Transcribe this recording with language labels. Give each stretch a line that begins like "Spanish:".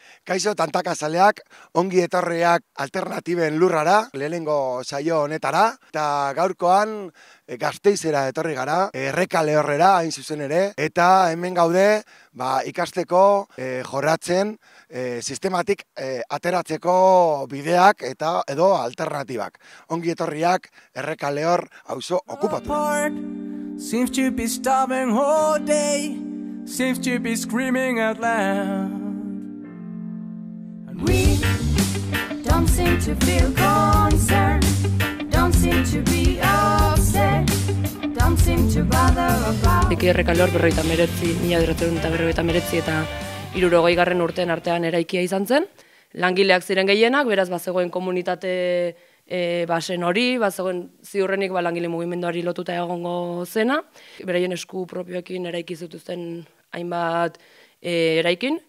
Basque: Kaixo tantakazaleak, ongi etorriak alternatiben lurrara, lehenengo saio honetara, eta gaurkoan Gasteizera etorri gara, Errekale horrera hain zuzen ere, eta hemen gaude ikasteko jorratzen sistematik ateratzeko bideak eta edo alternatibak. Ongi etorriak Errekale hor auzo okupatu.
English: Seems to be stopping all day, seems to be screaming out loud. And we don't seem to feel concerned, don't seem to be upset, don't seem to bother about.
Basque: Eki Errekaleor 1949 eta 1960 urtean artean eraikia izan zen. Langileak ziren gehienak, beraz bazegoen komunitate basen hori, bazegoen ziurrenik langile mugimenduari lotuta egongo zena. Beraien esku propioekin eraiki zituzten hainbat eraikin.